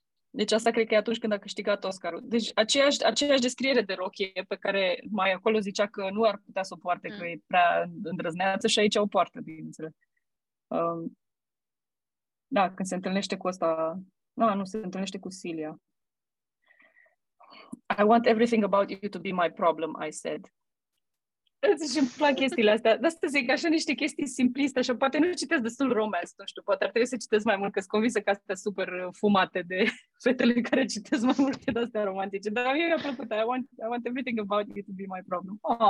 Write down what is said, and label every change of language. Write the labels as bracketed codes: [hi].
[ro] Deci asta cred că e atunci când a câștigat Oscarul. Deci aceeași descriere de rochie pe care mai acolo zicea că nu ar putea să o poarte, că e prea îndrăzneață și aici o poartă, bineînțeles. Da, când se întâlnește cu ăsta... Nu, se întâlnește cu Celia. [en] I want everything about you to be my problem, I said. [ro] Și îmi plac chestiile astea. De asta zic, așa niște chestii simpliste, așa, poate nu citesc destul romance, nu știu, poate ar trebui să citesc mai mult, că sunt convinsă că astea super fumate de fetele care citesc mai multe de astea romantice. Dar mie mi-a plăcut, [en] I want everything about you to be my problem.